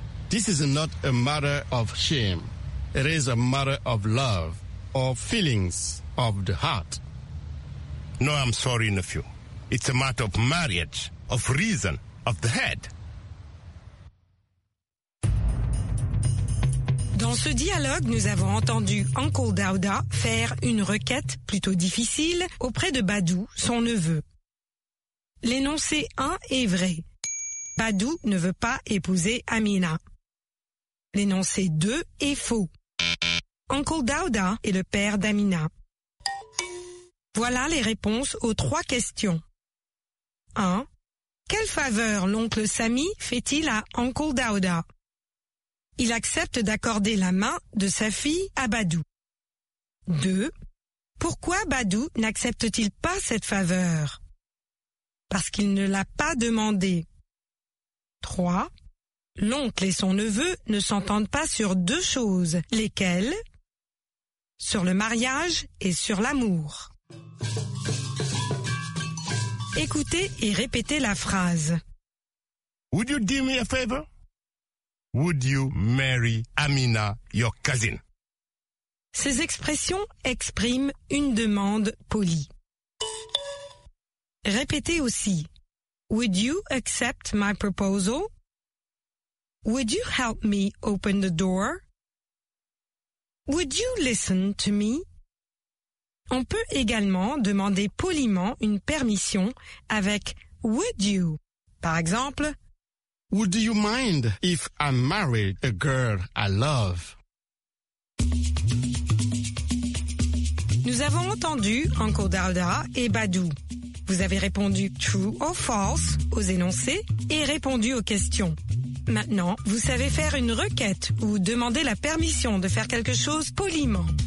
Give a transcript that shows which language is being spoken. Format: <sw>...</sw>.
<en>This is not a matter of shame. It is a matter of love, of feelings, of the heart. No, I'm sorry, nephew. It's a matter of marriage, of reason, of the head.</en> <fr>Dans ce dialogue, nous avons entendu Uncle Dauda faire une requête plutôt difficile auprès de Badou, son neveu. L'énoncé 1 est vrai. Badou ne veut pas épouser Amina. L'énoncé 2 est faux. Uncle Dauda est le père d'Amina. Voilà les réponses aux trois questions. 1. Quelle faveur l'oncle Sammy fait-il à Uncle Dauda? Il accepte d'accorder la main de sa fille à Badou. 2. Pourquoi Badou n'accepte-t-il pas cette faveur? Parce qu'il ne l'a pas demandé. 3. L'oncle et son neveu ne s'entendent pas sur deux choses. Lesquelles? Sur le mariage et sur l'amour. Écoutez et répétez la phrase.</fr> <en>Would you do me a favor? Would you marry Amina, your cousin?</en> <fr>Ces expressions expriment une demande polie. Répétez aussi.</fr> <en>Would you accept my proposal? Would you help me open the door? Would you listen to me?</en> <fr>On peut également demander poliment une permission avec would you. Par exemple,</fr> <en>would you mind if I married a girl I love?</en> <fr>Nous avons entendu Uncle Dauda et Badou. Vous avez répondu</fr> <en>true or false</en> <fr>aux énoncés et répondu aux questions. Maintenant, vous savez faire une requête ou demander la permission de faire quelque chose poliment.</fr>